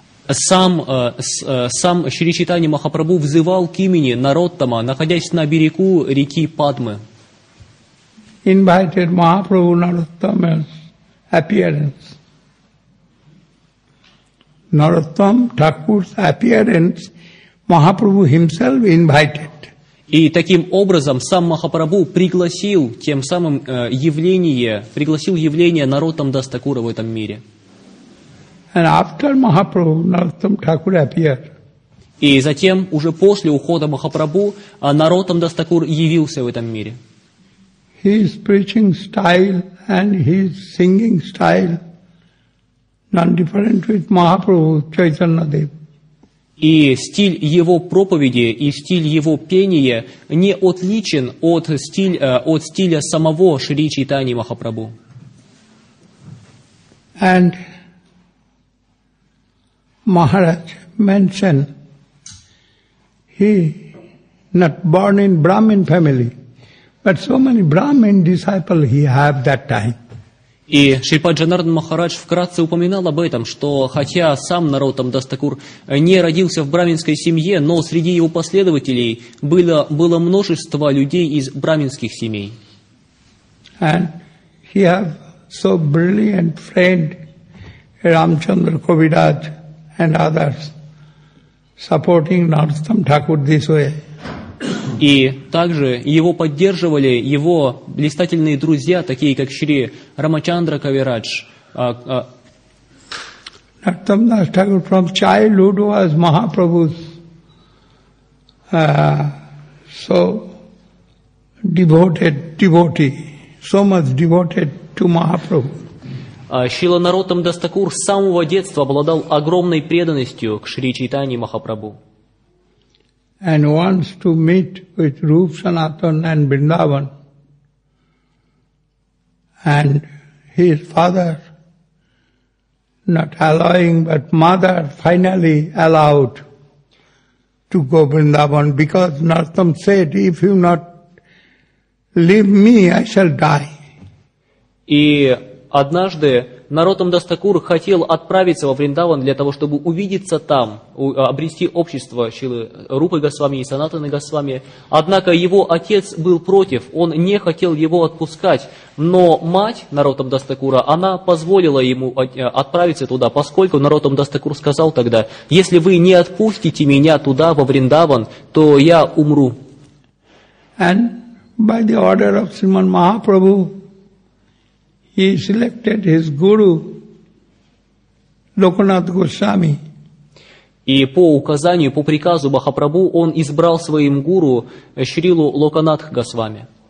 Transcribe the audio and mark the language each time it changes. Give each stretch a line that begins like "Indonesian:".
Russian: Сам Шри Чайтанья Махапрабху взывал к имени Нароттама, находясь на берегу реки Падмы.
English: Invited Mahaprabhu Narottama's appearance. Narottam Thakur's appearance, Mahaprabhu himself invited.
Russian: И таким образом сам Махапрабху пригласил тем самым явление Наротамдас Такура в этом мире.
English: And after Mahaprabhu Narottam Thakur appeared.
Russian: И затем уже после ухода Махапрабху Наротамдас Такур явился в этом мире.
English: His preaching style and his singing style non different with Mahaprabhu Chaitanya Dev.
Russian: И стиль его проповеди и стиль его пения не отличен от стиля самого Шри Чайтаньи Махапрабху.
English: And Maharaj mentioned he not born in Brahmin family, but so many Brahmin disciples he had that time.
Russian: И Шрипад Джанардан Махарадж вкратце упоминал об этом, что хотя сам Наротамдас Такур не родился в брахминской семье, но среди его последователей было множество людей из брахминских семей.
English: And he have so brilliant friend Ramchandra Kaviraj. And others supporting Narottam Thakur this way.
Russian: И также его поддерживали его блистательные друзья, такие как Шри Рамачандра Кавирадж.
English: Narottamdas Thakur from childhood was Mahaprabhu's so devoted devotee, so much devoted to Mahaprabhu.
Russian: Шрила Наротам Дас Такур с самого детства обладал огромной преданностью к Шри Чайтани Махапрабху.
English: And wants to meet with Rupa Sanatan and Vrindavan. And his father, not allowing, but mother finally allowed to go Vrindavan because Narottam said, if you not leave me, I shall die.
Russian: И однажды Наротам Дас Такур хотел отправиться во Вриндаван для того, чтобы увидеться там, обрести общество Шилы Рупы Госвами и Санатаны Госвами. Однако его отец был против, он не хотел его отпускать. Но мать Наротам Дас Такура, она позволила ему отправиться туда, поскольку Наротам Дас Такур сказал тогда, если вы не отпустите меня туда, во Вриндаван, то я умру.
English: And by the order of Sriman Mahaprabhu, he selected his guru, Lokanath Goswami.
Russian: И по указанию, по приказу Махапрабху, он избрал своим гуру Шрилу Локанатх Госвами.